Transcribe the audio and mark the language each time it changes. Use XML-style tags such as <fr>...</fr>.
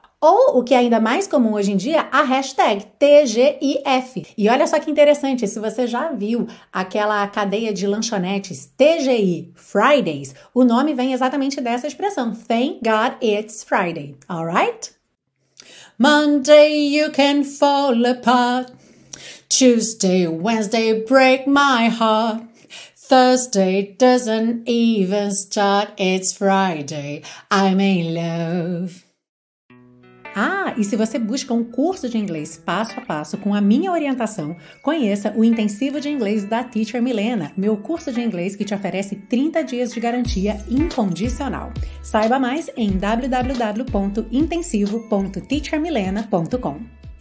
<pt>Ou, o que é ainda mais comum hoje em dia, a hashtag TGIF. E olha só que interessante, se você já viu aquela cadeia de lanchonetes TGI Fridays, o nome vem exatamente dessa expressão,</pt> <en>Thank God it's Friday, alright? Monday you can fall apart, Tuesday, Wednesday break my heart, Thursday doesn't even start, it's Friday, I'm in love.</en> <pt>Ah, e se você busca um curso de inglês passo a passo com a minha orientação, conheça o Intensivo de Inglês da Teacher Milena, meu curso de inglês que te oferece 30 dias de garantia incondicional. Saiba mais em www.intensivo.teachermilena.com.</pt>